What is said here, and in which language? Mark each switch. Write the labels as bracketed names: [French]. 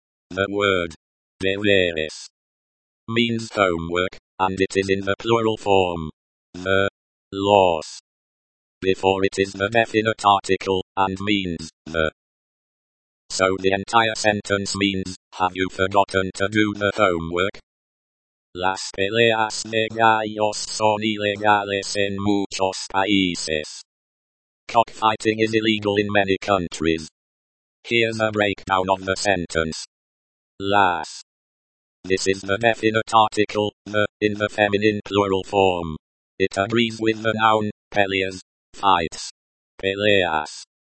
[English] The word deberes means homework, and it is in the plural form, the los, before it is the definite article, and means the. So the entire sentence means, have you forgotten to do the homework? [Spanish] Las peleas de gallos son ilegales en muchos países. [English] Cockfighting is illegal in many countries. Here's a breakdown of the sentence. Las. This is the definite article, the, in the feminine plural form. It agrees with the noun, peleas, fights, peleas.